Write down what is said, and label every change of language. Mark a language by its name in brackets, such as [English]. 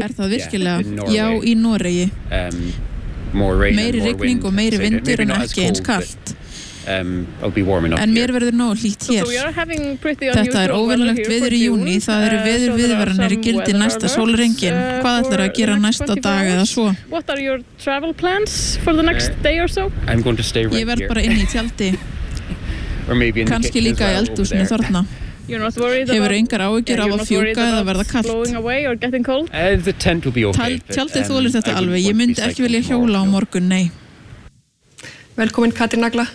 [Icelandic] Það virkilega? Já, í Noregi. Meiri rigning og meiri vindur en ekki eins kalt. En mér verður nóg hlýtt hér. Þetta óvenjulegt veður í júní, það eru veður viðvaranir í gildi næsta sólrengin. Hvað ætlarðu að gera næsta dag eða svo? [English] What are your travel plans for the next day or so? I'm going to stay right [Icelandic] Ég verð bara inn í tjaldi. Kannski líka í eldhúsinu þarna. Hefur engar áhyggjur af að fjúka eða verða kalt? Tjaldið þolir þetta alveg. Ég myndi ekki vilja hjóla á morgun, nei. Velkomin Katrín Nagla.